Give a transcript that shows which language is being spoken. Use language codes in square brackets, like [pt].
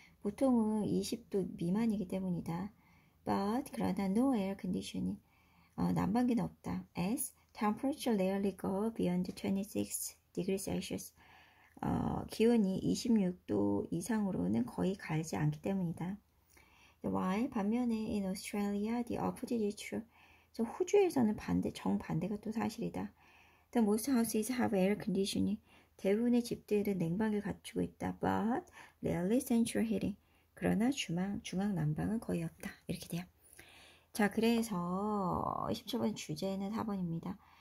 [ko] 보통은 20도 미만이기 때문이다. [en] But, [ko] 그러나 [en] no air conditioning. [ko] 난방기는 없다. [en] As temperature rarely go beyond 26 degrees Celsius. [ko] 기온이 26도 이상으로는 거의 가지 않기 때문이다. [en] While [ko] 반면에 [en] in Australia, the opposite is true. [ko] So 호주에서는 정반대가 또 사실이다. [en] The most houses have air conditioning. [ko] 대부분의 집들은 냉방을 갖추고 있다. [en] But rarely central heating. [ko] 그러나 중앙 난방은 거의 없다. 이렇게 돼요. 자, 그래서 17번 주제는 4번입니다.